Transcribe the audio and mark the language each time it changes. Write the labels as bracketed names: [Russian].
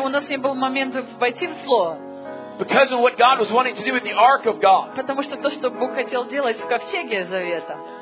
[Russian] У нас не был момент войти в слово. [English] Because of what God was wanting to do with the Ark of God. [Russian] Потому что то, что Бог хотел делать в ковчеге Завета.